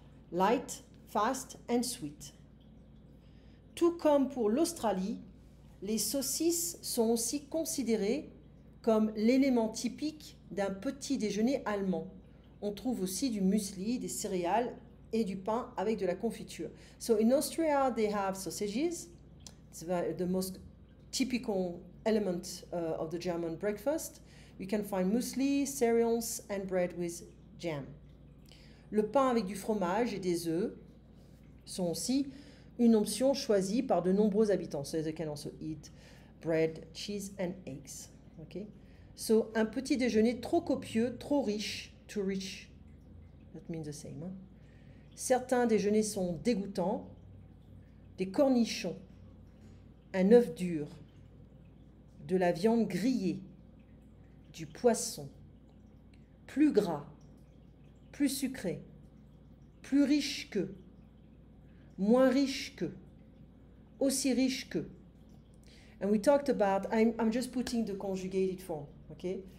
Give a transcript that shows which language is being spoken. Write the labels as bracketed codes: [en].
[en] Light, fast and sweet. [fr] Tout comme pour l'Australie, les saucisses sont aussi considérées comme l'élément typique d'un petit déjeuner allemand. On trouve aussi du muesli, des céréales et du pain avec de la confiture. [en] So in Austria, they have sausages. It's the most typical element of the German breakfast. You can find muesli, cereals and bread with jam. [fr] Le pain avec du fromage et des œufs sont aussi une option choisie par de nombreux habitants. [en] So they can also eat bread, cheese and eggs. Okay. [fr] So, un petit déjeuner trop copieux, trop riche, [en] too rich. That means the same. [fr] Hein? Certains déjeuners sont dégoûtants. Des cornichons, un œuf dur, de la viande grillée, du poisson. Plus gras, plus sucré, plus riche que, moins riche que, aussi riche que. [en] And we talked about, I'm just putting the conjugated form, okay?